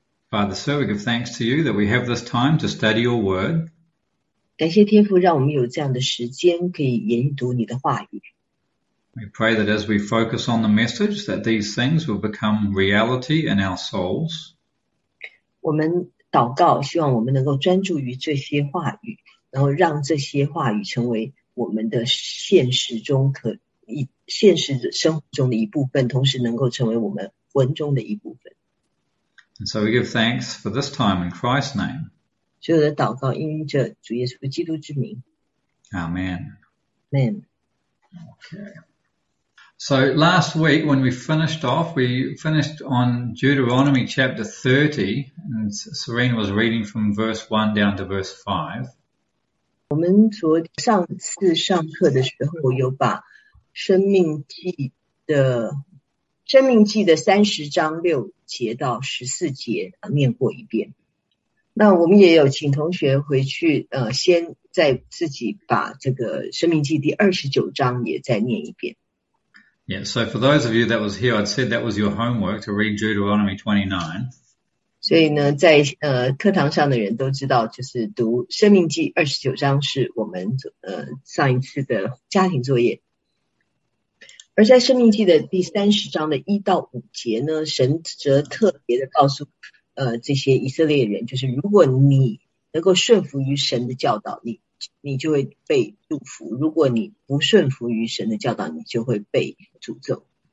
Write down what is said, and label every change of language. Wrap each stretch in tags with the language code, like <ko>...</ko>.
<en>Father, so we give thanks to you that we have this time to study your word.</en> <zh>感谢天父，让我们有这样的时间可以研读你的话语。</zh> <en>We pray that as we focus on the message, that these things will become reality in our souls.</en> <zh>我们祷告，希望我们能够专注于这些话语，然后让这些话语成为我们的现实中可以现实生活中的一部分，同时能够成为我们文中的一部分。</zh> <en>And so we give thanks for this time in Christ's name.</en> <zh>所有的祷告，因着主耶稣基督之名。</zh> <en>Amen. Amen。 Okay. So last week when we finished on Deuteronomy chapter 30, and Serena was reading from verse 1 down to verse 5.</en> <zh>我们昨上次上课的时候，有把《生命记》的30章6节到14节念过一遍。那我们也有请同学回去，先再自己把这个《生命记》第29章也再念一遍。</zh> <en>Yeah, so for those of you that was here, I'd said that was your homework to read Deuteronomy 29.</en> <zh>所以呢，在课堂上的人都知道，就是读《生命记》29章是我们上一次的家庭作业。而在《生命记》的第30章的1到5节呢，神则特别的告诉这些以色列人，就是如果你能够顺服于神的教导，你就会被祝福；如果你不顺服于神的教导，你就会被诅咒。</zh>